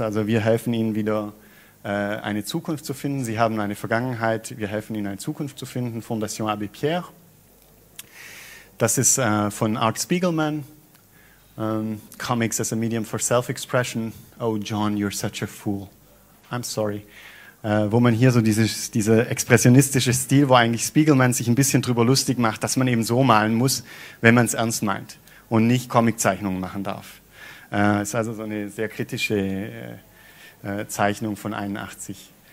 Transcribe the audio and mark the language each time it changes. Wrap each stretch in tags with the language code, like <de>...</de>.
<de>Also wir helfen Ihnen wieder, eine Zukunft zu finden. Sie haben eine Vergangenheit, wir helfen Ihnen, eine Zukunft zu finden. Fondation Abbé Pierre. Das ist von Art Spiegelman.</de> <en>Comics as a medium for self-expression. Oh John, you're such a fool. I'm sorry.</en> <de>Wo man hier so diese expressionistische Stil, wo eigentlich Spiegelman sich ein bisschen drüber lustig macht, dass man eben so malen muss, wenn man es ernst meint und nicht Comiczeichnungen machen darf. Ist also so eine sehr kritische Zeichnung von 81.</de>